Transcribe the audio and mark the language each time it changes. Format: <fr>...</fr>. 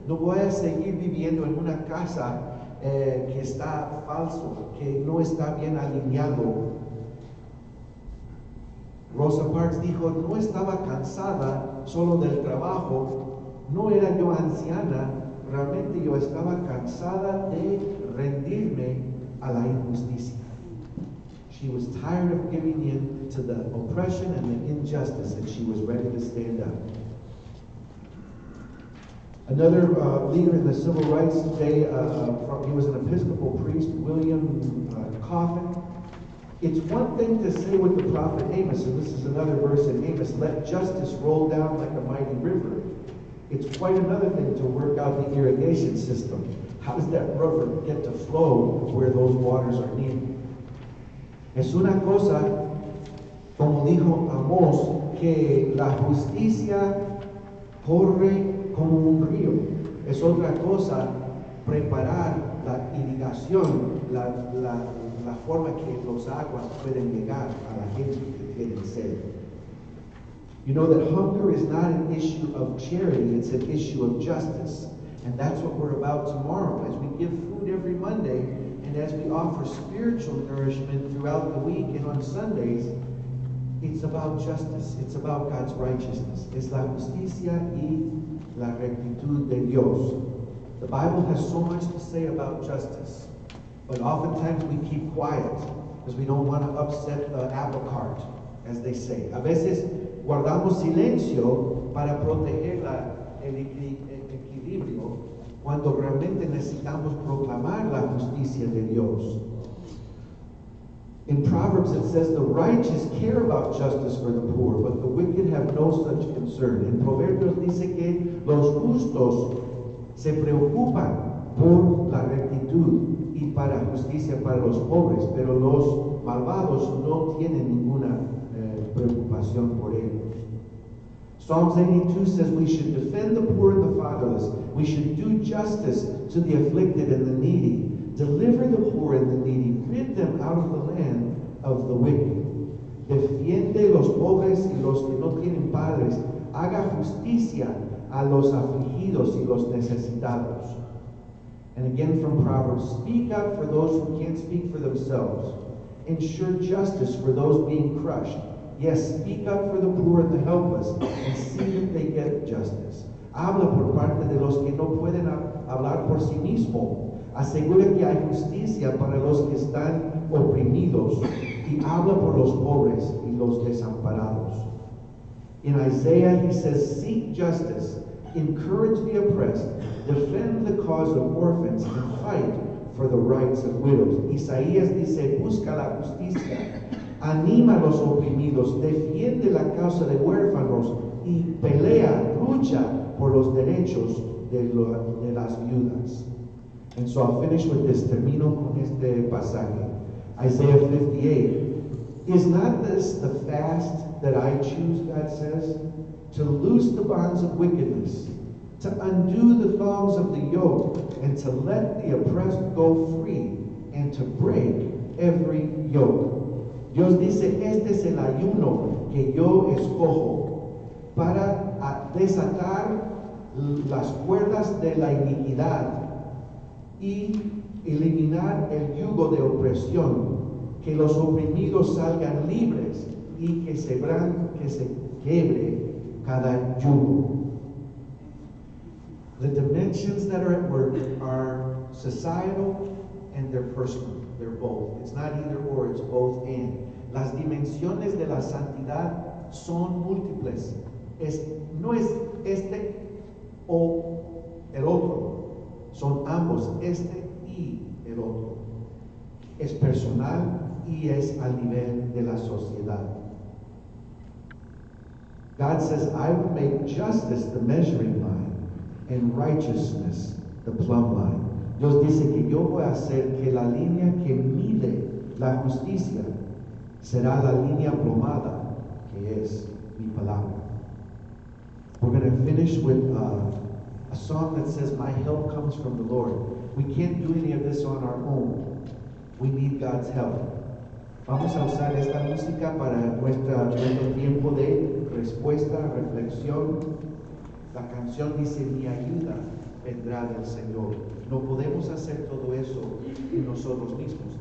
<es>No voy a seguir viviendo en una casa que está falso, que no está bien alineado. Rosa Parks dijo, no estaba cansada solo del trabajo. No era yo anciana. Realmente yo estaba cansada de rendirme a la injusticia.</es> <en>She was tired of giving in to the oppression and the injustice, and she was ready to stand up. Another leader in the civil rights day, he was an Episcopal priest, William Coffin. It's one thing to say with the prophet Amos, and this is another verse in Amos, let justice roll down like a mighty river. It's quite another thing to work out the irrigation system. How does that river get to flow where those waters are needed?</en> <es>Es una cosa, como dijo Amos, que la justicia corre como un río. Es otra cosa preparar la irrigación, la forma que los aguas pueden llegar a la gente que tiene sed.</es> <en>You know that hunger is not an issue of charity, it's an issue of justice. And that's what we're about tomorrow, as we give food every Monday, and as we offer spiritual nourishment throughout the week and on Sundays. It's about justice, it's about God's righteousness.</en> <es>Es la justicia y la rectitud de Dios.</es> <en>The Bible has so much to say about justice, but oftentimes we keep quiet because we don't want to upset the apple cart, as they say.</en> <es>A veces guardamos silencio para proteger el equilibrio cuando realmente necesitamos proclamar la justicia de Dios.</es> <en>In Proverbs it says the righteous care about justice for the poor, but the wicked have no such concern.</en> <es>En Proverbios dice que los justos se preocupan por la rectitud y para justicia para los pobres, pero los malvados no tienen ninguna preocupación por ellos.</es> <en>Psalms 82 says we should defend the poor and the fatherless. We should do justice to the afflicted and the needy. Deliver the poor and the needy. Rid them out of the land of the wicked.</en> <es>Defiende los pobres y los que no tienen padres. Haga justicia a los afligidos y los necesitados.</es> <en>And again from Proverbs, speak up for those who can't speak for themselves. Ensure justice for those being crushed. Yes, speak up for the poor and the helpless and see that they get justice.</en> <es>Habla por parte de los que no pueden hablar por sí mismo. Asegura que hay justicia para los que están oprimidos y habla por los pobres y los desamparados.</es> <en>In Isaiah, he says, seek justice, encourage the oppressed, defend the cause of orphans, and fight for the rights of widows.</en> <es>Isaías dice, busca la justicia, anima a los oprimidos, defiende la causa de huérfanos, y pelea, lucha por los derechos de las viudas.</es> <en>And so I'll finish with this,</en> <es>termino con este pasaje.</es> <en>Isaiah 58, is not this the fast that I choose, God says, to loose the bonds of wickedness, to undo the thongs of the yoke, and to let the oppressed go free, and to break every yoke.</en> <es>Dios dice, este es el ayuno que yo escojo para desatar las cuerdas de la iniquidad y eliminar el yugo de opresión, que los oprimidos salgan libres y que se quebre cada yugo.</es> <en>The dimensions that are at work are societal and they're personal. They're both. It's not either or, it's both and.</en> <es>Las dimensiones de la santidad son múltiples. No es este o el otro. Son ambos, este y el otro. Es personal y es a nivel de la sociedad.</es> <en>God says, I will make justice the measuring line and righteousness the plumb line.</en> <es>Dios dice que yo voy a hacer que la línea que mide la justicia será la línea plomada, que es mi palabra.</es> <en>We're going to finish with a song that says, my help comes from the Lord. We can't do any of this on our own. We need God's help.</en> <es>Vamos a usar esta música para nuestro tiempo de respuesta, reflexión. La canción dice, mi ayuda vendrá del Señor. No podemos hacer todo eso en nosotros mismos.</es>